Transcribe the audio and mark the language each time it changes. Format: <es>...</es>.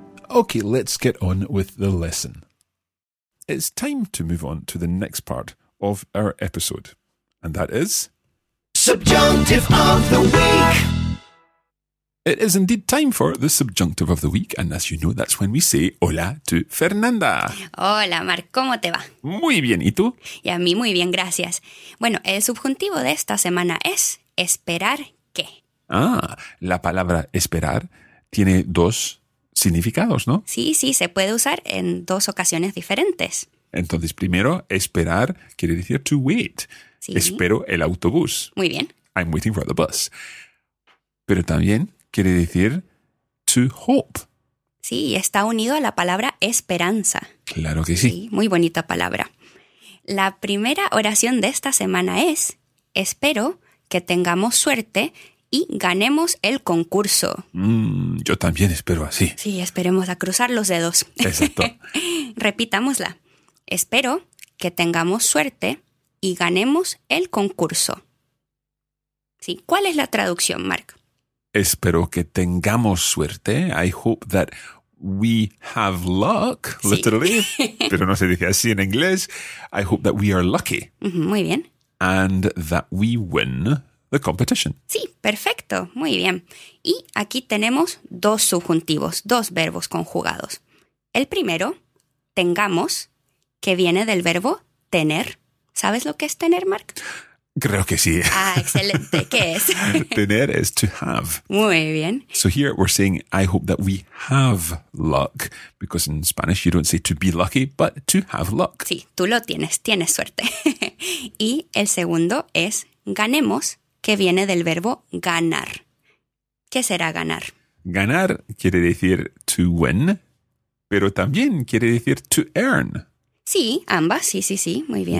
<en>Okay, let's get on with the lesson. It's time to move on to the next part of our episode, and that is Subjunctive of the Week. It is indeed time for the Subjunctive of the Week, and as you know, that's when we say hola to Fernanda.</en> <es>Hola, Mar, ¿cómo te va? Muy bien, ¿y tú? Y a mí muy bien, gracias. Bueno, el subjuntivo de esta semana es esperar qué. Ah, la palabra esperar tiene dos significados, ¿no? Sí, sí, se puede usar en dos ocasiones diferentes. Entonces, primero, esperar quiere decir</es> <en>to wait.</en> <es>Sí. Espero el autobús. Muy bien.</es> <en>I'm waiting for the bus.</en> <es>Pero también quiere decir</es> <en>to hope.</en> <es>Sí, está unido a la palabra esperanza. Claro que sí. Sí, muy bonita palabra. La primera oración de esta semana es: espero que tengamos suerte y ganemos el concurso. Yo también espero así. Sí, esperemos a cruzar los dedos. Exacto. Repitámosla. Espero que tengamos suerte y ganemos el concurso. Sí, ¿cuál es la traducción, Mark? Espero que tengamos suerte.</es> <en>I hope that we have luck, literally.</en> <es>Sí. Pero no se dice así en inglés.</es> <en>I hope that we are lucky.</en> <es>Muy bien.</es> <en>And that we win the competition.</en> <es>Sí, perfecto. Muy bien. Y aquí tenemos dos subjuntivos, dos verbos conjugados. El primero, tengamos, que viene del verbo tener. ¿Sabes lo que es tener, Mark? Creo que sí. Ah, excelente. ¿Qué es?</es> <en>Tener is to have.</en> <es>Muy bien.</es> <en>So here we're saying, I hope that we have luck. Because in Spanish you don't say to be lucky, but to have luck.</en> <es>Sí, tú lo tienes. Tienes suerte. Y el segundo es ganemos, que viene del verbo ganar. ¿Qué será ganar? Ganar quiere decir</es> <en>to win,</en> <es>pero también quiere decir</es> <en>to earn.</en> <es>Sí, ambas, sí, sí, sí, muy bien.</es>